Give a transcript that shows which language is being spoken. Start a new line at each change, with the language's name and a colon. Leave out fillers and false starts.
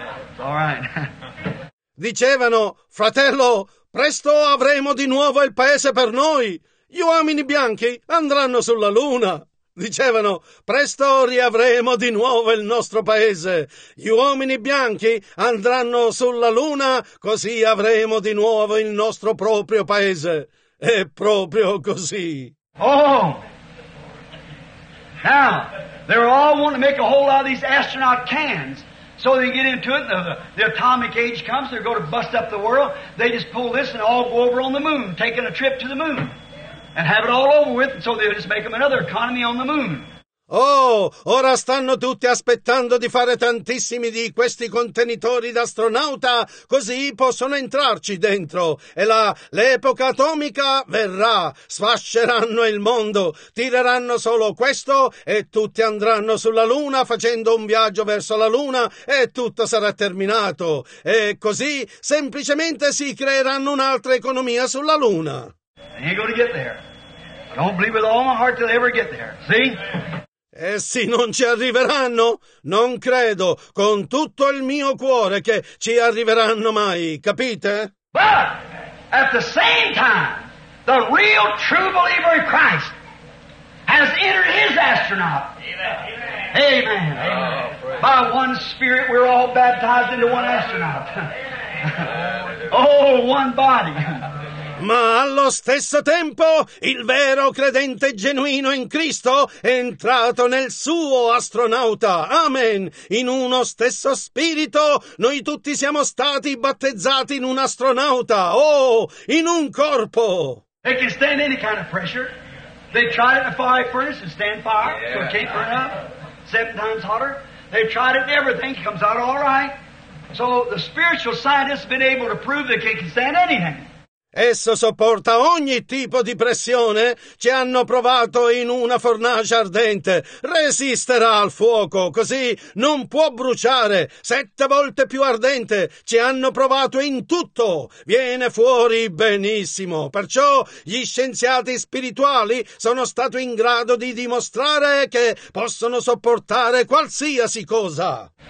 English: It's all right.
Italian: Dicevano, fratello, presto avremo di nuovo il paese per noi. Gli uomini bianchi andranno sulla luna. Dicevano, presto riavremo di nuovo il nostro paese. Gli uomini bianchi andranno sulla luna, così avremo di nuovo il nostro proprio paese. È proprio così.
English: Oh, now, they're all wanting to make a whole lot of these astronaut cans, so they get into it, and the atomic age comes, they're going to bust up the world, they just pull this and all go over on the moon, taking a trip to the moon, and have it all over with, so they'll just make them another economy on the moon.
Italian: Oh, ora stanno tutti aspettando di fare tantissimi di questi contenitori d'astronauta, così possono entrarci dentro. E là, l'epoca atomica verrà, sfasceranno il mondo, tireranno solo questo e tutti andranno sulla Luna facendo un viaggio verso la Luna e tutto sarà terminato. E così semplicemente si creeranno un'altra economia sulla Luna.
English: You're gonna get there. I don't believe with all my heart they'll ever get there. See?
Italian: Essi non ci arriveranno? Non credo, con tutto il mio cuore, che ci arriveranno mai, capite?
English: But, at the same time, the real true believer in Christ has entered his astronaut. Amen. Amen. Amen. Oh, by one spirit, we're all baptized into one astronaut. Oh, one body.
Italian: Ma allo stesso tempo il vero credente genuino in Cristo è entrato nel suo astronauta. Amen. In uno stesso spirito noi tutti siamo stati battezzati in un astronauta. Oh, in un corpo.
English: They can stand any kind of pressure. They tried it in a fire furnace and stand fire, so it can't burn up. 7 times hotter. They tried it in everything. It comes out all right. So the spiritual scientists have been able to prove that they can stand anything.
Italian: Esso sopporta ogni tipo di pressione. Ci hanno provato in una fornace ardente. Resisterà al fuoco, così non può bruciare. 7 volte più ardente. Ci hanno provato in tutto. Viene fuori benissimo. Perciò gli scienziati spirituali sono stati in grado di dimostrare che possono sopportare qualsiasi cosa.